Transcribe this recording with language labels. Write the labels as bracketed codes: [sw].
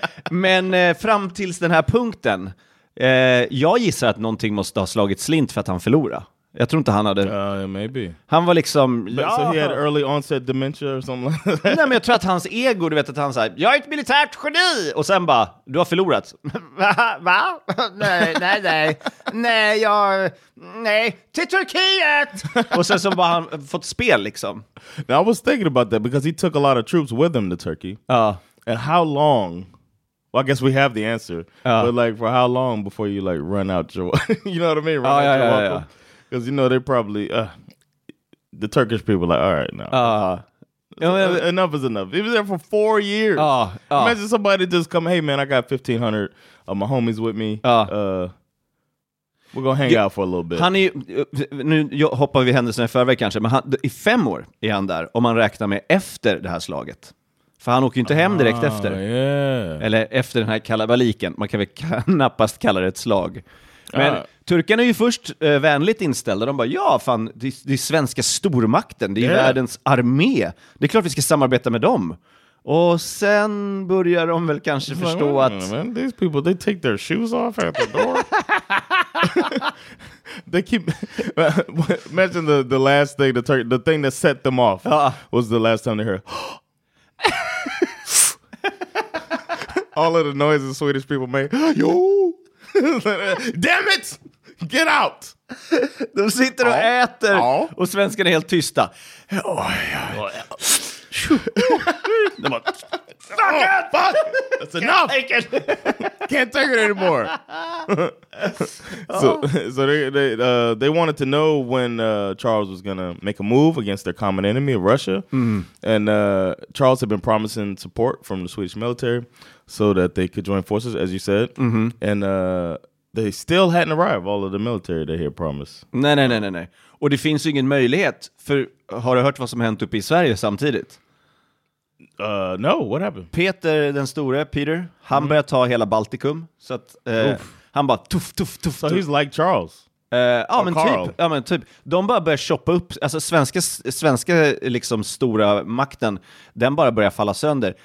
[sv] Men fram tills den här punkten. Jag gissar att någonting måste ha slagit slint för att han förlorade. Jag tror inte han hade... [en] Maybe. [sv] Han var liksom... [en] So he had early onset dementia or something like that. [sv] Nej, men jag tror att hans ego, du vet att han säger, jag är ett militärt geni! Och sen bara, du har förlorat. Va? Nej. Nej, jag... Nej, till Turkiet! Och sen så bara han fått spel liksom. [en] Now I was thinking about that because he took a lot of troops with him to Turkey. And how long... Well, I guess we have the answer. But like for how long before you like run out your... you know what I mean? Run out your Because you know they probably... the Turkish people are like, all right, no. Enough is enough. He was there for 4 years. Imagine somebody just come, hey man, I got 1,500 of my homies with me. We're gonna hang out for a little bit. [sv] Han är, nu hoppar vi händelserna i förväg kanske, men han, i 5 år är han där, om man räknar med efter det här slaget. För han åker ju inte hem direkt efter. Eller efter den här kalabaliken. Man kan väl knappast kalla det ett slag. Men turkarna är ju först vänligt inställda. De bara, ja fan, det är svenska stormakten. Det är världens armé. Det är klart vi ska samarbeta med dem. Och sen börjar de väl kanske like, förstå man, att... [en] Man, these people, they take their shoes off at the door. They keep... Imagine the last thing, the thing that set them off was the last time they heard... All of the noises Swedish people make. Yo! Damn it! Get out! [sv] De sitter och äter och svenskarna är helt tysta. De bara, [en] fuck it! Fuck! That's enough! Can't take it anymore! So they wanted to know when Charles was gonna make a move against their common enemy, Russia. And Charles had been promising support from the Swedish military so that they could join forces, as you said. And they still hadn't arrived, all of the military that he had promised. [sv] Nej. Och det finns ju ingen möjlighet, för har du hört vad som hänt uppe i Sverige samtidigt? [en] No, what happened? [sv] Peter den store, Peter, han började ta hela Baltikum. Så att han bara tuff. [en] So he's like Charles. [sv] Ja men typ. De bara börjar shoppa upp, alltså svenska liksom stora makten, den bara börjar falla sönder.